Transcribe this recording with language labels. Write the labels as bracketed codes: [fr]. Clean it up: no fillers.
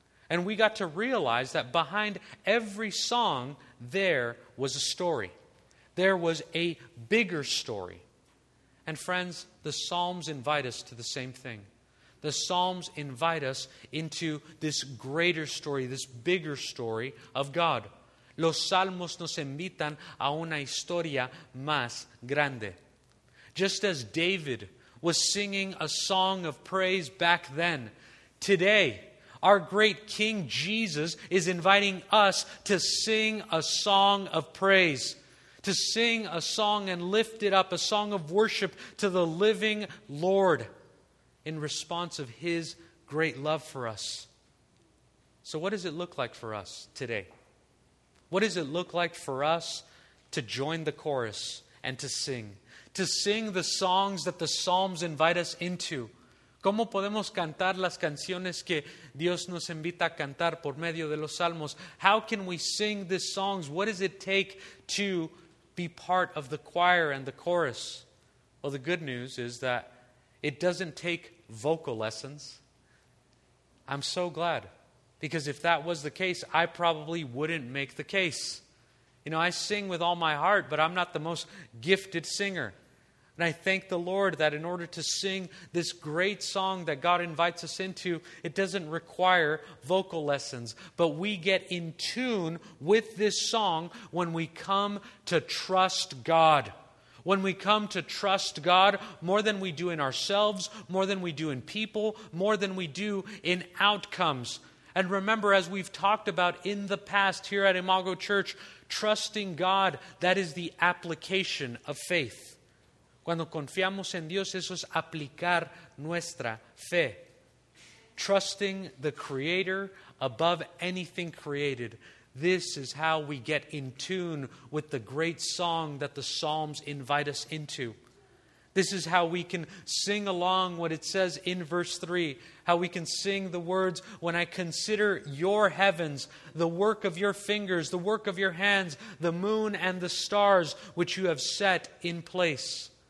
[en] And we got to realize that behind every song, there was a story. There was a bigger story. And friends, the Psalms invite us to the same thing. The Psalms invite us into this greater story, this bigger story of God. [es] Los Salmos nos invitan a una historia más grande. [en] Just as David was singing a song of praise back then, today our great King Jesus is inviting us to sing a song of praise, to sing a song and lift it up, a song of worship to the living Lord, in response of His great love for us. So what does it look like for us today? What does it look like for us to join the chorus and to sing? To sing the songs that the Psalms invite us into. [es] ¿Cómo podemos cantar las canciones que Dios nos invita a cantar por medio de los Salmos? [en] How can we sing these songs? What does it take to be part of the choir and the chorus? Well, the good news is that it doesn't take vocal lessons. I'm so glad. Because if that was the case, I probably wouldn't make the case. You know, I sing with all my heart, but I'm not the most gifted singer. And I thank the Lord that in order to sing this great song that God invites us into, it doesn't require vocal lessons. But we get in tune with this song when we come to trust God. When we come to trust God more than we do in ourselves, more than we do in people, more than we do in outcomes. And remember, as we've talked about in the past here at Imago Church, trusting God, that is the application of faith. [es] Cuando confiamos en Dios, eso es aplicar nuestra fe. [en] Trusting the Creator above anything created. This is how we get in tune with the great song that the Psalms invite us into. This is how we can sing along what it says in verse 3. How we can sing the words, "When I consider your heavens, the work of your fingers, the work of your hands, the moon and the stars which you have set in place."